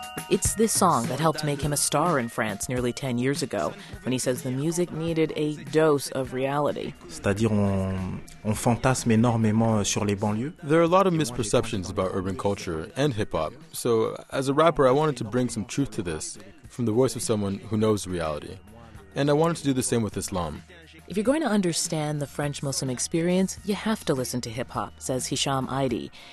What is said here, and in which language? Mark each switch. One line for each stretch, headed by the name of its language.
English: It's this song that helped make him a star in France nearly 10 years ago, when he says the music needed a dose of reality.
French: C'est-à-dire on fantasme énormément sur les banlieues.
English: There are a lot of misperceptions about urban culture and hip-hop. So, as a rapper, I wanted to bring some truth to this. From the voice of someone who knows reality. And I wanted to do the same with Islam. If you're going to understand the French Muslim experience, you have to listen to hip-hop, says Hisham Aidi.